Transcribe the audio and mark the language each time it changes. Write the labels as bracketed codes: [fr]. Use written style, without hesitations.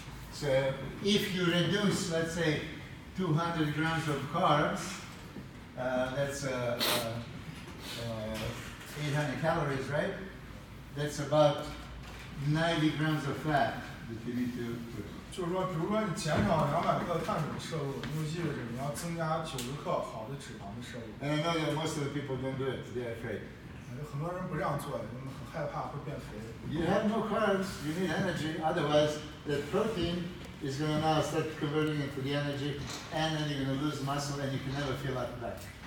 [en] So if you reduce, let's say, 200 grams of carbs, that's 800 calories, right? That's about 90 grams of fat that you need to put. [zh] 就是说，比如说你减少200克碳水的摄入，那就意味着你要增加90克好的脂肪的摄入。 [en] And I know that most of the people don't do it; they're afraid. [zh] 很多人不让做，他们很害怕会变肥。You [en] have no carbs, you need energy. Otherwise, that protein is going to now start converting into the energy, and then you're going to lose muscle, and you can never feel like that.